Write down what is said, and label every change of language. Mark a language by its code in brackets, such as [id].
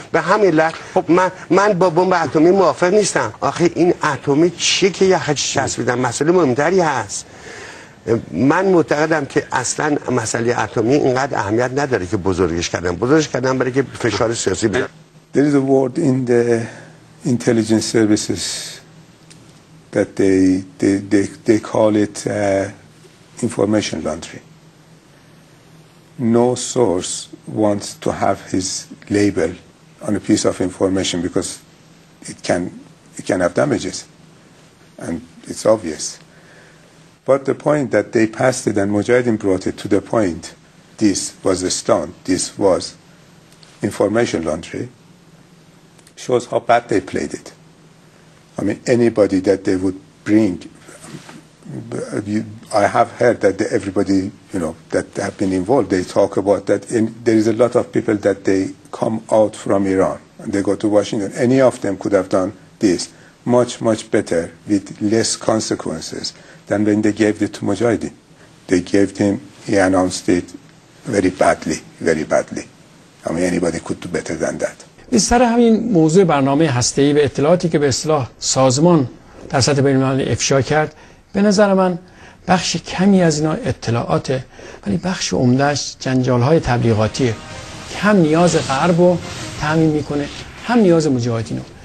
[fa] به همین علت خب من با بمب اتمی موافق نیستم. آخه این اتمی چی که یخش چسبیدن، مسئله مهمتری هست. من معتقدم که اصلا مسئله اتمی اینقدر اهمیت نداره که بزرگش کردن. بزرگش کردن برای که فشار سیاسی بیاد. [en] There is a word in the intelligence services that they call it information laundering. No source wants to have his label on a piece of information because it can have damages, and it's obvious. But the point that they passed it and Mujahideen brought it to the point, this was a stunt. This was information laundering. Shows how bad they played it. I mean, anybody that they would bring, I have heard that everybody, you know, that have been involved, they talk about that. There is a lot of people that they come out from Iran and they go to Washington. Any of them could have done this much, much better with less consequences than when they gave it to Mujahideen. They gave him, he announced it very badly, very badly. I mean, anybody could do better than that. [fa] به سر همین موضوع برنامه هسته‌ای و اطلاعاتی که به اصطلاح سازمان در سطح بین‌المللی افشا کرد، به نظر من بخش کمی از اینا اطلاعاته، ولی بخش عمدهش جنجال‌های تبلیغاتیه که هم نیاز غرب رو تامین میکنه هم نیاز مجاهدین رو.